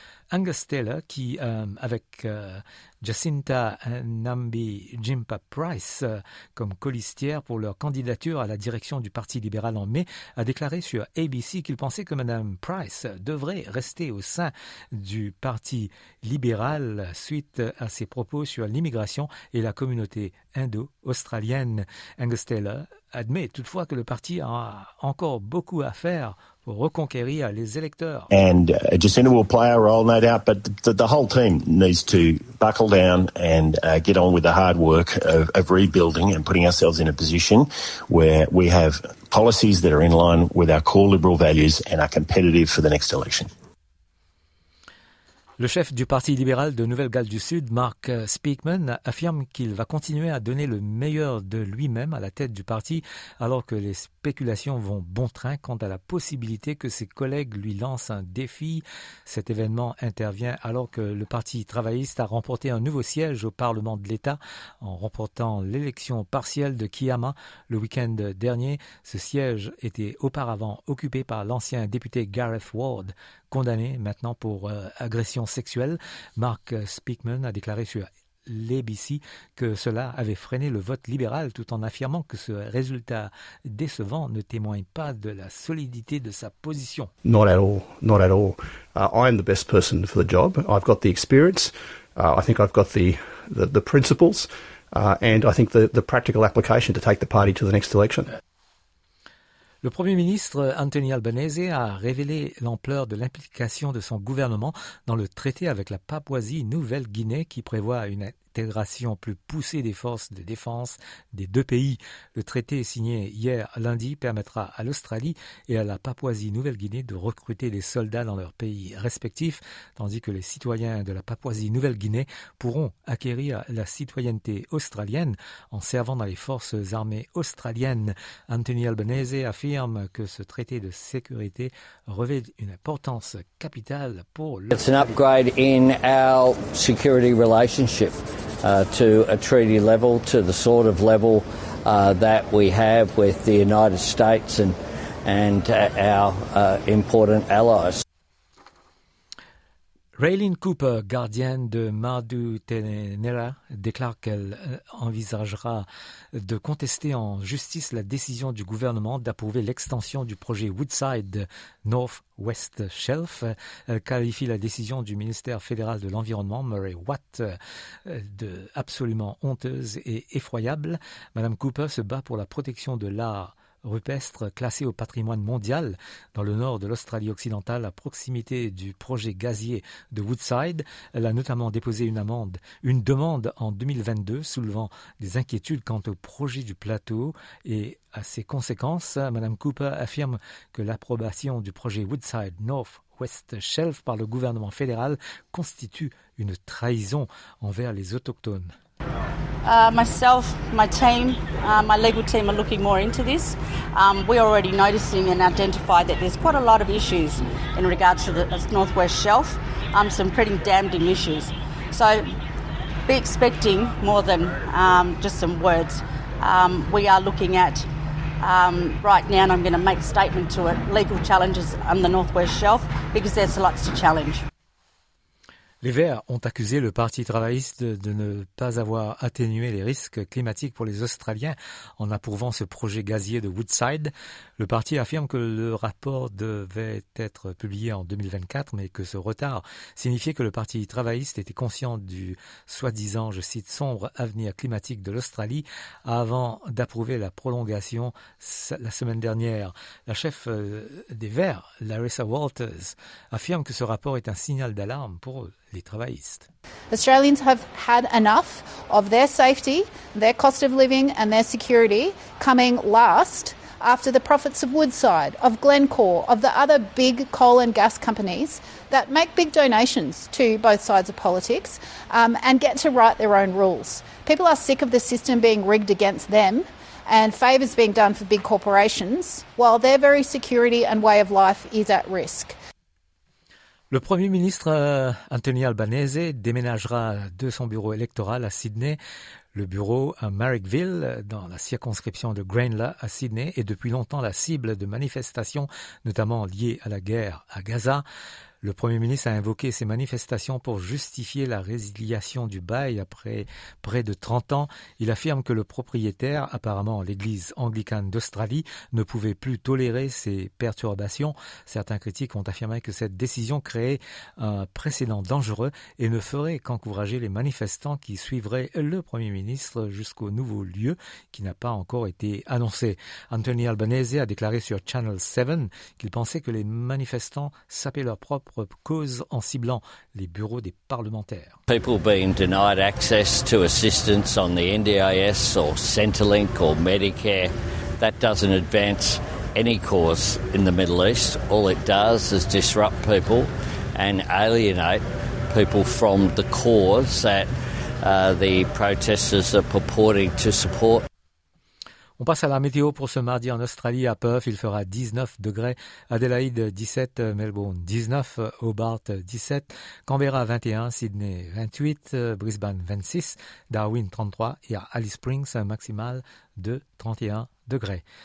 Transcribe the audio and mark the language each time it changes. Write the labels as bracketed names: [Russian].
[French] Angus Taylor, qui, avec Jacinta Nambi-Jimpa-Price comme colistière pour leur candidature à la direction du Parti libéral en mai, a déclaré sur ABC qu'il pensait que Mme Price devrait rester au sein du Parti libéral suite à ses propos sur l'immigration et la communauté indo-australienne. Angus Taylor admet toutefois que le parti a encore beaucoup à faire reconquérir les électeurs. [English] And Jacinta will play a role, no doubt, but the whole team needs to buckle down and get on with the hard work of rebuilding and putting ourselves in a position where we have policies that are in line with our core liberal values and are competitive for the next election. [French] Le chef du Parti libéral de Nouvelle-Galles du Sud, Mark Speakman, affirme qu'il va continuer à donner le meilleur de lui-même à la tête du parti, alors que les spéculations vont bon train quant à la possibilité que ses collègues lui lancent un défi. Cet événement intervient alors que le Parti travailliste a remporté un nouveau siège au Parlement de l'État en remportant l'élection partielle de Kiama le week-end dernier. Ce siège était auparavant occupé par l'ancien député Gareth Ward, condamné maintenant pour agression sexuelle. Mark Speakman a déclaré sur l'ABC que cela avait freiné le vote libéral, tout en affirmant que ce résultat décevant ne témoigne pas de la solidité de sa position. [English] Not at all. I am the best person for the job. I've got the experience. I think I've got the principles. And I think the practical application to take the party to the next election. [French] Le Premier ministre Anthony Albanese a révélé l'ampleur de l'implication de son gouvernement dans le traité avec la Papouasie-Nouvelle-Guinée qui prévoit une intégration plus poussée des forces de défense des deux pays. Le traité signé hier lundi permettra à l'Australie et à la Papouasie-Nouvelle-Guinée de recruter des soldats dans leurs pays respectifs, tandis que les citoyens de la Papouasie-Nouvelle-Guinée pourront acquérir la citoyenneté australienne en servant dans les forces armées australiennes. Anthony Albanese affirme que ce traité de sécurité revêt une importance capitale pour l'Australie. [English] It's an upgrade in our security relationship. To a treaty level, to the sort of level that we have with the United States and our important allies. [French] Raylene Cooper, gardienne de Madu Tenera, déclare qu'elle envisagera de contester en justice la décision du gouvernement d'approuver l'extension du projet Woodside Northwest Shelf. Elle qualifie la décision du ministère fédéral de l'Environnement, Murray Watt, de absolument honteuse et effroyable. Madame Cooper se bat pour la protection de l'art rupestre classé au patrimoine mondial dans le nord de l'Australie occidentale à proximité du projet gazier de Woodside. Elle a notamment déposé une demande en 2022 soulevant des inquiétudes quant au projet du plateau et à ses conséquences. Madame Cooper affirme que l'approbation du projet Woodside Northwest Shelf par le gouvernement fédéral constitue une trahison envers les autochtones. [English] Myself, my team, my legal team are looking more into this. We're already noticing and identify that there's quite a lot of issues in regards to the Northwest Shelf, some pretty damning issues. So be expecting more than just some words. We are looking at, right now, and I'm going to make a statement to it, legal challenges on the Northwest Shelf because there's lots to challenge. [French] Les Verts ont accusé le Parti travailliste de ne pas avoir atténué les risques climatiques pour les Australiens en approuvant ce projet gazier de Woodside. Le parti affirme que le rapport devait être publié en 2024, mais que ce retard signifiait que le Parti travailliste était conscient du soi-disant, je cite, « sombre avenir climatique de l'Australie » avant d'approuver la prolongation la semaine dernière. La chef des Verts, Larissa Walters, affirme que ce rapport est un signal d'alarme pour eux. Les travaillistes. [English] Australians have had enough of their safety, their cost of living and their security coming last after the profits of Woodside, of Glencore, of the other big coal and gas companies that make big donations to both sides of politics and get to write their own rules. People are sick of the system being rigged against them and favours being done for big corporations while their very security and way of life is at risk. [French] Le Premier ministre Anthony Albanese déménagera de son bureau électoral à Sydney. Le bureau à Marrickville, dans la circonscription de Greenla à Sydney, est depuis longtemps la cible de manifestations, notamment liées à la guerre à Gaza. Le Premier ministre a invoqué ces manifestations pour justifier la résiliation du bail après près de 30 ans. Il affirme que le propriétaire, apparemment l'église anglicane d'Australie, ne pouvait plus tolérer ces perturbations. Certains critiques ont affirmé que cette décision créait un précédent dangereux et ne ferait qu'encourager les manifestants qui suivraient le Premier ministre jusqu'au nouveau lieu qui n'a pas encore été annoncé. Anthony Albanese a déclaré sur Channel 7 qu'il pensait que les manifestants sapaient leur propre cause en ciblant les bureaux des parlementaires. [English] People being denied access to assistance on the NDIS or Centrelink or Medicare, that doesn't advance any cause in the Middle East. All it does is disrupt people and alienate people from the cause that the protesters are purporting to support. [French] On passe à la météo pour ce mardi en Australie, à Perth, il fera 19 degrés, Adélaïde 17, Melbourne 19, Hobart 17, Canberra 21, Sydney 28, Brisbane 26, Darwin 33 et à Alice Springs un maximal de 31 degrés.